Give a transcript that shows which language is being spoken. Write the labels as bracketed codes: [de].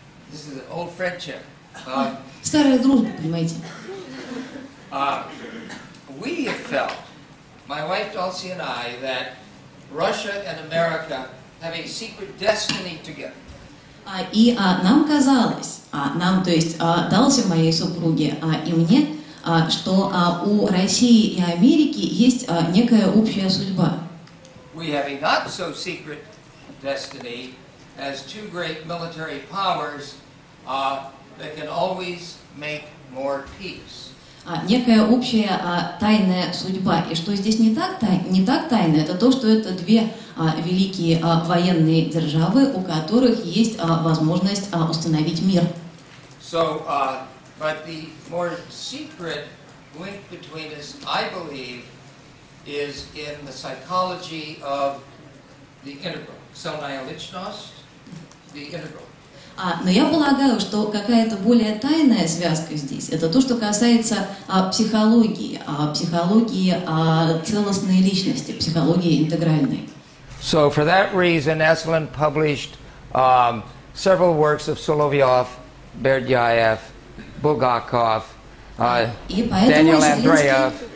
[en] This is an old friendship. [ru] Старая дружба, понимаете? [en] We have felt, my wife Dulcie and I, that Russia and America have a secret destiny together. [ru] Нам казалось, нам, то есть Дулси, моей супруге, и мне, что у России и Америки есть некая общая судьба. [en] We have a not so secret destiny as two great military powers that can always make more peace. [ru] Некая общая тайная судьба. И что здесь не так тайно, это то, что это две великие военные державы, у которых есть возможность установить мир. [en] So, but the more secret link between us, I believe, is in the psychology of the integral. [ru] Сонная личность, [en] the integral. [ru] Но я полагаю, что какая-то более тайная связка здесь, это то, что касается психологии, психологии целостной личности, психологии интегральной. [en] So for that reason, Esalen published several works of Соловьев, Бердяев, Булгаков, Daniel Andreev.